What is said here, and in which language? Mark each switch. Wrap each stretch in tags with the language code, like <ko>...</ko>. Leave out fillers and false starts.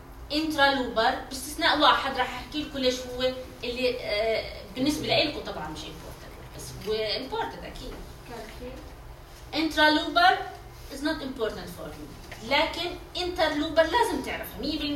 <ar>Intralobar, باستثناء واحد راح احكي لكم ليش هو اللي بالنسبة لإلكم طبعا مش important. بس هو important أكيد.</ar> <en>Intralobar is not important for you.</en> <ar>لكن interlobar لازم تعرف 100%.</ar>